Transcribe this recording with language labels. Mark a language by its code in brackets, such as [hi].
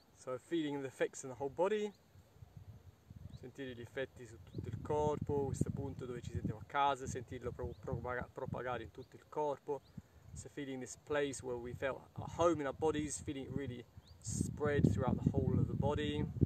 [en] So feeling the effects in the whole body. [it] Sentire gli effetti su tutto il corpo, questo punto dove ci sentiamo a casa, sentirlo propagare in tutto il corpo. [en] So feeling this place where we felt at home in our bodies, feeling it really spread throughout the whole of the body.